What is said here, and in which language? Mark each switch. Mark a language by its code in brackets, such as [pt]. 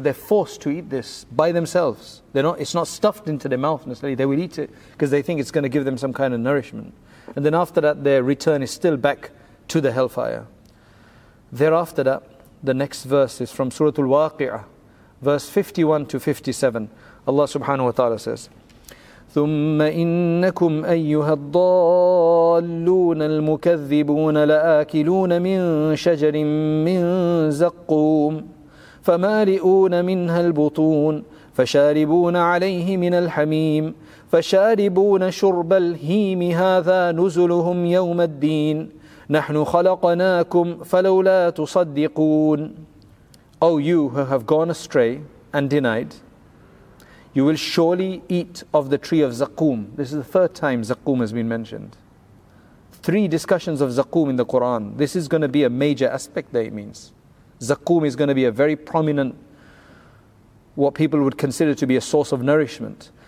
[en] They're forced to eat this by themselves. It's not stuffed into their mouth necessarily. They will eat it because they think it's going to give them some kind of nourishment. And then after that, their return is still back to the hellfire. Thereafter that, the next verse is from Surah Al-Waqi'ah, verse 51 to 57. [ar] Allah subhanahu wa ta'ala says, ثُمَّ إِنَّكُمْ أَيُّهَا الضَّالُّونَ الْمُكَذِّبُونَ لَآكِلُونَ مِنْ شَجَرٍ مِنْ زَقُّومٍ فَمَالِئُونَ مِنْهَا الْبُطُونَ فَشَارِبُونَ عَلَيْهِ مِنَ الْحَمِيمِ فَشَارِبُونَ شُرْبَ الْهِيمِ هَذَا نُزُلُهُمْ يَوْمَ الدِّينِ نَحْنُ خَلَقْنَاكُمْ فَلَوْلَا تُصَدِّقُونَ. [en] Oh, you who have gone astray and denied, you will surely eat of the tree of Zaqqum. This is the third time Zaqqum has been mentioned. Three discussions of Zaqqum in the Quran. This is going to be a major aspect there, it means. Zaqqum is going to be a very prominent, what people would consider to be a source of nourishment.